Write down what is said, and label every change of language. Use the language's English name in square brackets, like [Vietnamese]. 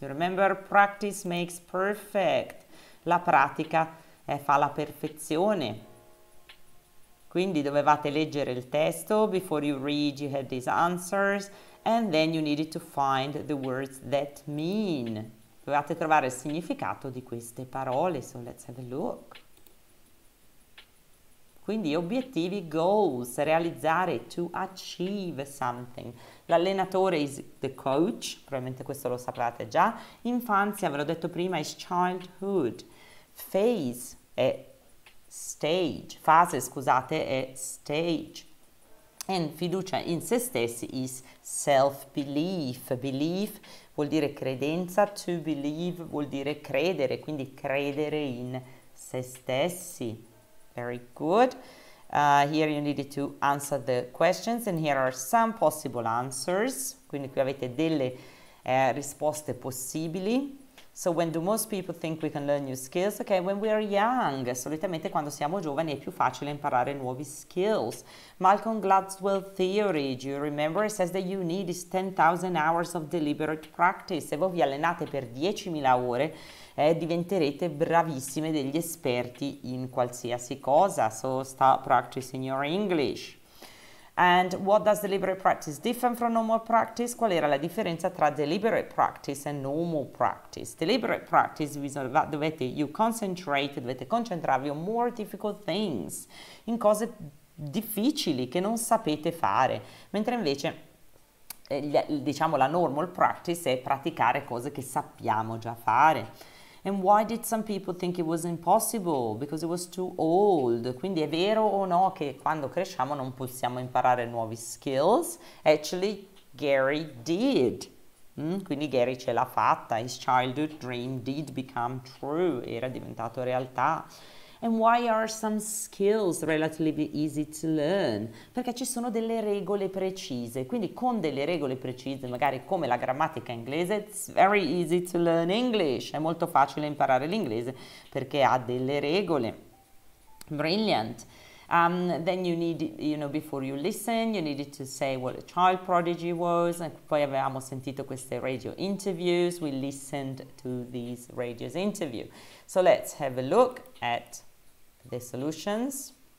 [English] You remember, practice makes perfect. [Italian] La pratica fa la perfezione. Quindi dovevate leggere il testo, [English] before you read you had these answers, and then you needed to find the words that mean. [Italian] Dovevate trovare il significato di queste parole, [English] so let's have a look. [Italian] Quindi obiettivi, goals, realizzare, to achieve something. L'allenatore [English] is the coach, [Italian] probabilmente questo lo sapevate già. Infanzia, ve l'ho detto prima, [English] is childhood. [Italian] Phase è stage, fase scusate, è stage. [English] And [Italian] fiducia in se stessi [English] is self-belief. [Italian] Belief vuol dire credenza, to believe vuol dire credere, quindi credere in se stessi. [English] Very good. Here you needed to answer the questions and here are some possible answers. [Italian] Quindi qui avete delle risposte possibili. [English] So when do most people think we can learn new skills? Okay, when we are young. [Italian] Solitamente quando siamo giovani è più facile imparare nuovi skills. [English] Malcolm Gladwell theory, do you remember? It says that you need 10,000 hours of deliberate practice. [Italian] Se voi vi allenate per 10,000 ore, diventerete bravissime degli esperti in qualsiasi cosa. [English] So start practicing your English. And what does deliberate practice differ from normal practice? [Italian] Qual era la differenza tra deliberate practice and normal practice? Deliberate practice, dovete concentrarvi [English] on more difficult things, [Italian] in cose difficili che non sapete fare. Mentre invece, diciamo, la normal practice è praticare cose che sappiamo già fare. [English] And why did some people think it was impossible? Because it was too old. [Italian] Quindi è vero o no che quando cresciamo non possiamo imparare nuovi skills? [English] Actually, Gary did. [Italian] Quindi Gary ce l'ha fatta. [English] His childhood dream did become true. [Italian] Era diventato realtà. [English] And why are some skills relatively easy to learn? [Italian] Perché ci sono delle regole precise. Quindi con delle regole precise, magari come la grammatica inglese, [English] it's very easy to learn English. [Italian] È molto facile imparare l'inglese perché ha delle regole. [English] Brilliant. Then you need, you know, before you listen, you needed to say what a child prodigy was. And [Italian] poi avevamo sentito queste [English] radio interviews. We listened to these radio interviews. So let's have a look at the solutions.